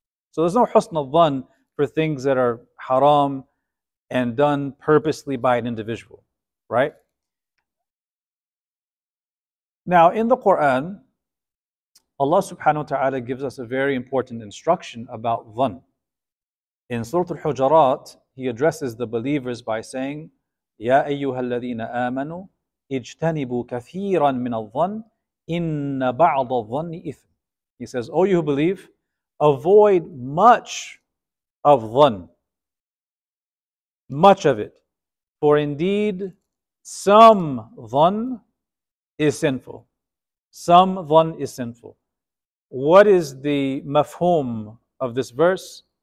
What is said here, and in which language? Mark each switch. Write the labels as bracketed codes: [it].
[en] So there's no husn al-dhan for things that are haram and done purposely by an individual, right? Now, in the Quran, Allah subhanahu wa ta'ala gives us a very important instruction about dhan. In Surah Al-Hujarat, He addresses the believers by saying, [ar] يَا أَيُّهَا الَّذِينَ آمَنُوا اِجْتَنِبُوا كَثِيرًا مِنَ الظَّنِ إِنَّ بَعْضَ الظَّنِ إِثْمٍ. [en] He says, O you who believe, avoid much of dhan. Much of it. For indeed, some dhan is sinful. Some dhan is sinful. What is the mafhum of this verse?